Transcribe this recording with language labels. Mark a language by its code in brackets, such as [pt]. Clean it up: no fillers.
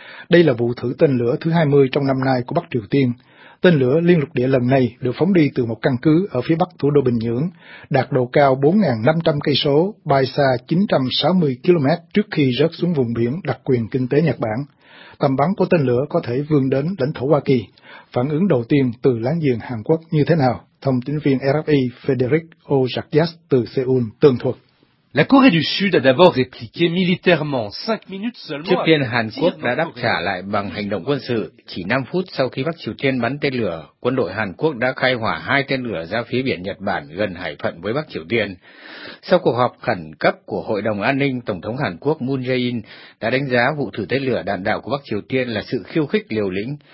[vi] Đây là vụ thử tên lửa thứ 20 trong năm nay của Bắc Triều Tiên. Tên lửa liên lục địa lần này được phóng đi từ một căn cứ ở phía bắc thủ đô Bình Nhưỡng, đạt độ cao 4.500 cây số, bay xa 960 km trước khi rớt xuống vùng biển đặc quyền kinh tế Nhật Bản. Tầm bắn của tên lửa có thể vươn đến lãnh thổ Hoa Kỳ. Phản ứng đầu tiên từ láng giềng Hàn Quốc như thế nào? Thông tin viên RFI Frederic Ojakjas từ Seoul tường thuật. [fr] La Corée du Sud a d'abord répliqué militairement 5 minutes seulement. [vi] Trước tiên, Hàn Quốc đã đáp trả lại bằng hành động quân sự. Chỉ 5 phút sau khi Bắc Triều Tiên bắn tên lửa, quân đội Hàn Quốc đã khai hỏa 2 tên lửa ra phía biển Nhật Bản gần hải phận với Bắc Triều Tiên. Sau cuộc họp khẩn cấp của Hội đồng An ninh, Tổng thống Hàn Quốc Moon Jae-in đã đánh giá vụ thử tên lửa đạn đạo của Bắc Triều Tiên là sự khiêu khích liều lĩnh.